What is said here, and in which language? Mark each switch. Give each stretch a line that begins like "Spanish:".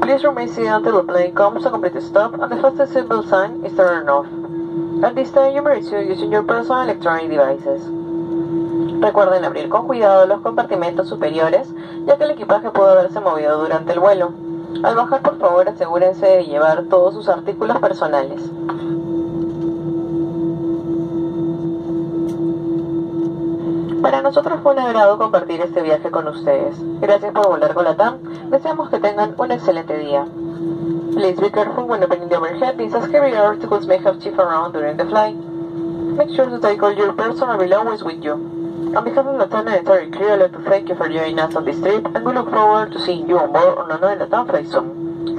English: Please remain seated until the plane comes to a complete stop and the fastest symbol sign is turn off. At this time, you may resume using your personal electronic devices.
Spanish: Recuerden abrir con cuidado los compartimentos superiores, ya que el equipaje pudo haberse movido durante el vuelo. Al bajar, por favor, asegúrense de llevar todos sus artículos personales. Para nosotros fue un agrado compartir este viaje con ustedes. Gracias por volar con LATAM. Deseamos que tengan un excelente día.
English: Please be careful when opening the overhead, as heavy articles may have shifted around during the flight. Make sure to take all your personal belongings with you. On behalf of LATAM and the entire crew, I'd like to thank you for joining us on this trip, and we look forward to seeing you on board on another LATAM flight soon.